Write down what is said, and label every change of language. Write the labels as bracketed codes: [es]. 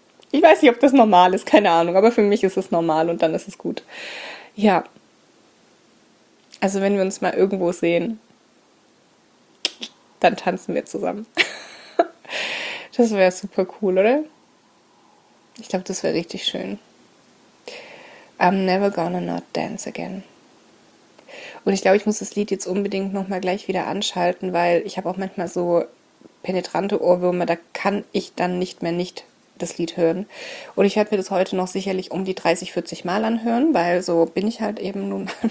[de] Ich weiß nicht, ob das normal ist, keine Ahnung, aber für mich ist es normal und dann ist es gut. Ja. Also wenn wir uns mal irgendwo sehen, dann tanzen wir zusammen. Das wäre super cool, oder? Ich glaube, das wäre richtig schön. [en] I'm never gonna not dance again. [de] Und ich glaube, ich muss das Lied jetzt unbedingt nochmal gleich wieder anschalten, weil ich habe auch manchmal so penetrante Ohrwürmer, da kann ich dann nicht mehr nicht das Lied hören. Und ich werde mir das heute noch sicherlich um die 30, 40 Mal anhören, weil so bin ich halt eben nun.